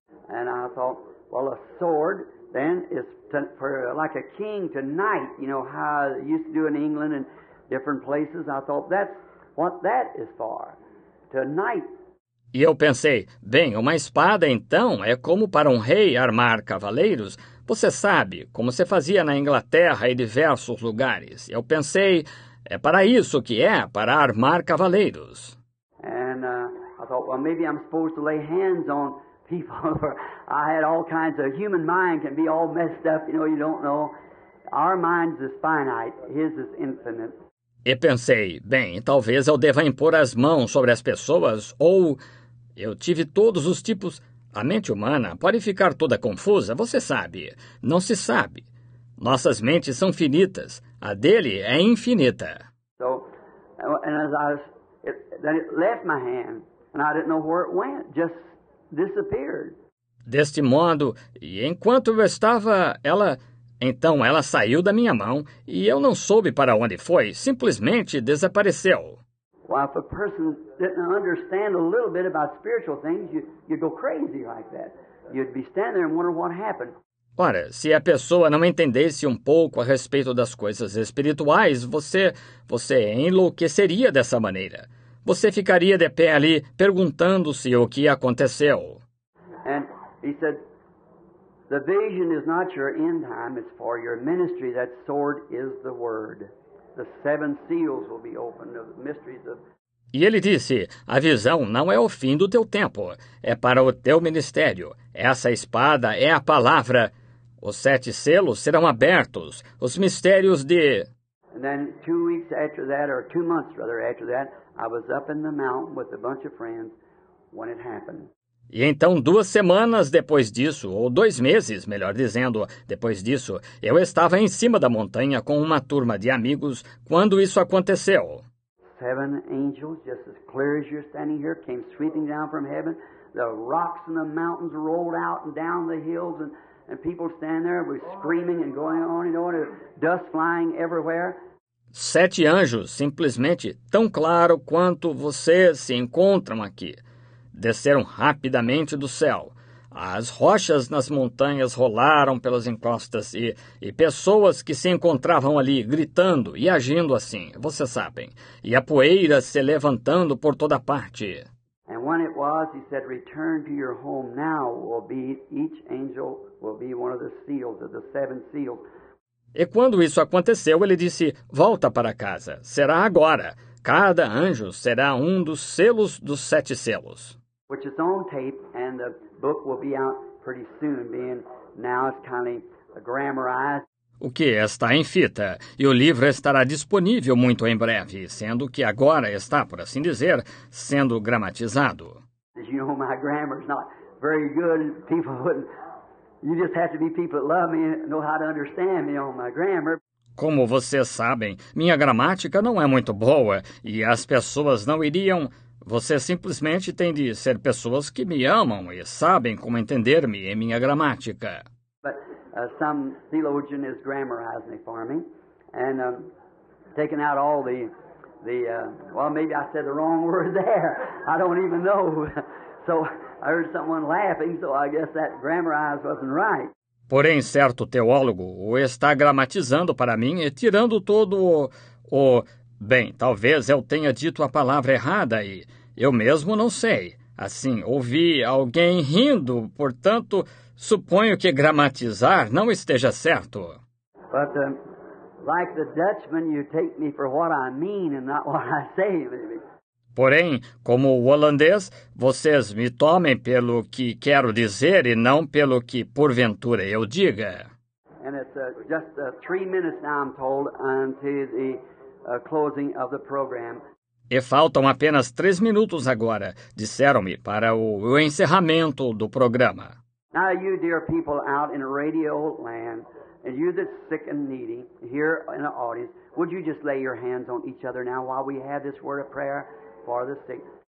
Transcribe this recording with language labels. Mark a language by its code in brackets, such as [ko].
[en] And I thought, well, a sword then is for like a king to knight, you know, how they used to do in England and different places. I thought, that's what that is for, to knight. [pt] E eu pensei, bem, uma espada, então, é como para um rei armar cavaleiros. Você sabe, como se fazia na Inglaterra e diversos lugares. Eu pensei, é para isso que é, para armar cavaleiros. [en] And I thought, well, maybe I'm supposed to lay hands on people. Or I had all kinds of human mind can be all messed up, you know, you don't know. Our mind is finite, his is infinite. [pt] E pensei, bem, talvez eu deva impor as mãos sobre as pessoas, ou eu tive todos os tipos. A mente humana pode ficar toda confusa, você sabe. Não se sabe. Nossas mentes são finitas. A dele é infinita. [en] So, and as I was, then it left my hand, and I didn't know where it went. Just disappeared. [pt] Deste modo, e enquanto eu estava, então ela saiu da minha mão e eu não soube para onde foi, simplesmente desapareceu. [en] Well, if a person didn't understand a little bit about spiritual things, you'd go crazy like that. You'd be standing there and wondering what happened. [pt] Ora, se a pessoa não entendesse um pouco a respeito das coisas espirituais, você enlouqueceria dessa maneira. Você ficaria de pé ali perguntando-se o que aconteceu. [en] And he said, the vision is not your end time, it's for your ministry. That sword is the word. The seven seals will be opened of the mysteries of... [pt] E ele disse, a visão não é o fim do teu tempo, é para o teu ministério. Essa espada é a palavra. Os sete selos serão abertos, os mistérios de... [en] And then 2 weeks after that, or 2 months rather after that, I was up in the mountain with a bunch of friends when it happened. [pt] E então, 2 semanas depois disso, ou 2 meses, melhor dizendo, depois disso, eu estava em cima da montanha com uma turma de amigos quando isso aconteceu. [en] 7 angels, just as clear as you're standing here, came sweeping down from heaven. The rocks and the mountains rolled out and down the hills, and people standing there were screaming and going on and on, and dust flying everywhere. [pt] 7 anjos, simplesmente tão claro quanto vocês se encontram aqui. Desceram rapidamente do céu. As rochas nas montanhas rolaram pelas encostas e pessoas que se encontravam ali gritando e agindo assim, vocês sabem. E a poeira se levantando por toda parte. [en] And when it was, he said, return to your home now. Will be, each angel will be one of the seals, of the 7 seals. [pt] E quando isso aconteceu, ele disse, volta para casa. Será agora. Cada anjo será um dos selos dos 7 selos. [en] Which is on tape, and the book will be out pretty soon, being now it's kind of grammarized. [pt] O que está em fita, e o livro estará disponível muito em breve, sendo que agora está, por assim dizer, sendo gramatizado. [en] As you know, my grammar is not very good, and people wouldn't... You just have to be people that love me and know how to understand me on my grammar. [pt] Como vocês sabem, minha gramática não é muito boa, e as pessoas não iriam... Você simplesmente tem de ser pessoas que me amam e sabem como entender-me em minha gramática. [en] But some theologian is grammarizing it for me and taking out all the maybe I said the wrong word there. I don't even know. So I heard someone laughing, so I guess that grammarized wasn't right. [pt] Porém, certo teólogo o está gramatizando para mim e tirando todo o bem, talvez eu tenha dito a palavra errada e eu mesmo não sei. Assim, ouvi alguém rindo, portanto, suponho que gramatizar não esteja certo. [en] But, like the Dutchman, you take me for what I mean and not what I say, maybe. [pt] Porém, como o holandês, vocês me tomem pelo que quero dizer e não pelo que, porventura, eu diga. [en] And it's just 3 minutes now, I'm told, until the... closing of the program. [pt] E faltam apenas 3 minutos agora, disseram-me, para o encerramento do programa. [en] Now, you dear people out in radio land, and you that's sick and needy here in the audience, would you just lay your hands on each other now while we have this word of prayer for the sick?